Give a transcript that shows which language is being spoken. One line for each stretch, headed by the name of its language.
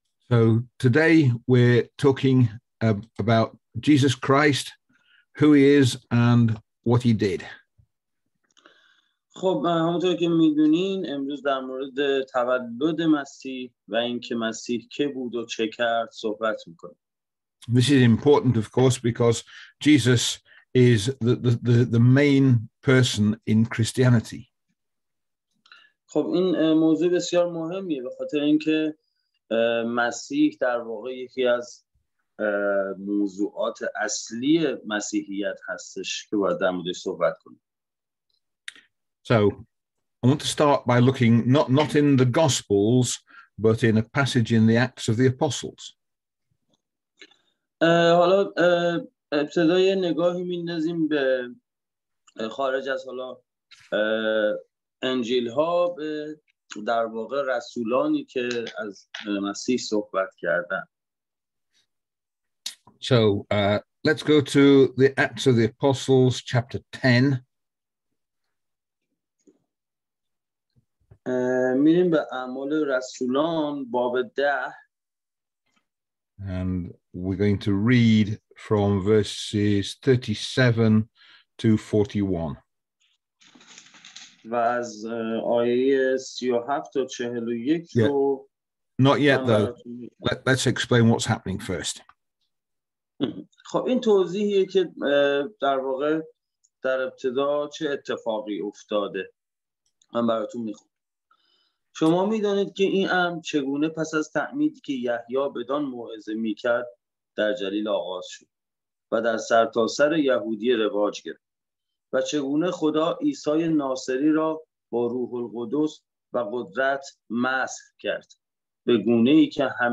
English: So today we're talking about Jesus Christ, who he is, and what he did.
Persian: خب همونطور که میدونین امروز در مورد تولد مسیح و اینکه مسیح که بود و چه کرد صحبت میکنیم.
English: This is important, of course, because Jesus is the main person in Christianity.
Persian: خب این موضوع بسیار مهمیه به خاطر اینکه مسیح در واقع یکی از موضوعات اصلی مسیحیت هستش که باید در موردش صحبت کنیم.
English: So I want to start by looking not in the Gospels, but in a passage in the Acts of the Apostles.
Persian: حالا ابتدای نگاهی میندازیم به خارج از حالا انجیل ها به در واقع رسولانی که از مسیح صحبت کردن.
English: So let's go to the Acts of the Apostles chapter 10.
Persian: میریم به اعمال رسولان باب 10.
English: And we're going to read from verses 37 to 41.
Persian: و از آیه 37 تا 41 رو
English: Not yet though. Let's explain what's happening first.
Persian: خب این توضیحیه که در واقع در ابتدا چه اتفاقی افتاده. من براتون میخونم. شما می‌دانید که این امر چگونه پس از تعمیدی که یحیی بدان موعظه می‌کرد در جلیل آغاز شد و در سرتاسر یهودیه رواج گرفت و چگونه خدا عیسی ناصری را با روح القدس و قدرت مسح کرد به گونه‌ای که